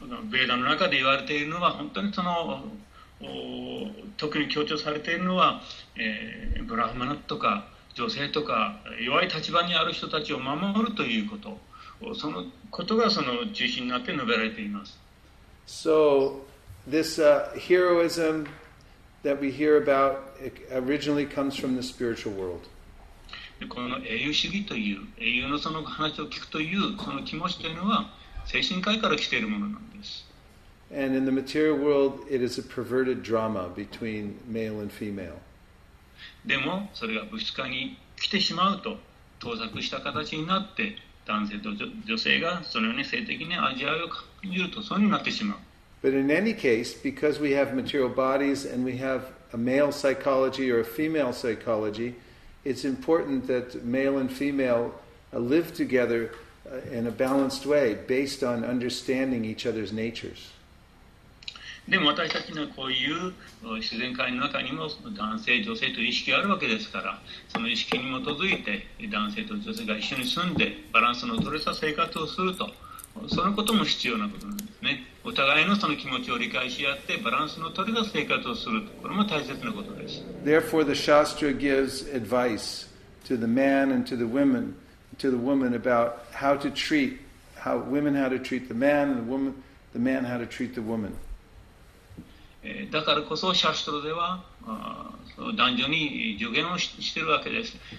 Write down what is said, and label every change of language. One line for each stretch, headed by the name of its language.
Japanese: ベーダの中で言われているのは本当にその特に強調されているのは、ブラフマナとか女性とか弱い立場にある人たちを守るということ、そのことがその中心になって述べられています。
English: So this heroism that we hear about originally comes from the spiritual world。
Japanese: この英雄主義という、英雄のその話を聞くという、その気持ちというのは精神界から来ているものなんです。
English: And in the material world, it is a perverted drama between male and female.
Japanese: でも、それが物質化に来てしまうと、盗作した形になって、男性と女性がそのように性的に味わいを感じると、そうになってしまう。
English: But in any case, because we have material bodies and we have a male psychology or a female psychology, it's important that male and female live together. In a balanced way, based on understanding each other's natures.
Japanese: でも私たちにはこういう自然界の中にも男性女性という意識があるわけですから、その意識に基づいて男性と女性が一緒に住んでバランスの取れた生活をすると、そのことも必要なことなんですね。お互いのその気持ちを理解し合ってバランスの取れた生活をすると、これも大切なことです。
English: Therefore the Shastra gives advice to the man and to the womenTo the woman about how to treat, how women how to treat the man, and the woman, the man how to treat the woman.
Japanese: だからこそシャストラでは、男女に助言をしているわけです。